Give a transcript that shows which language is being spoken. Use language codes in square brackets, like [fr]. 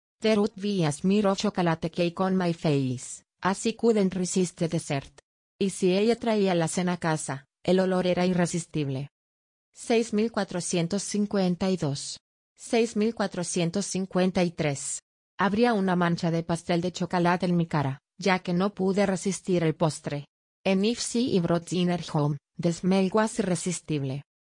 [en] There would be a smear of chocolate cake on my face, as I couldn't resist the dessert. [es] Y si ella traía la cena a casa, el olor era irresistible. 6452. 6453. Habría una mancha de pastel de chocolate en mi cara, ya que no pude resistir el postre. [en] And if she brought dinner home, the smell was irresistible.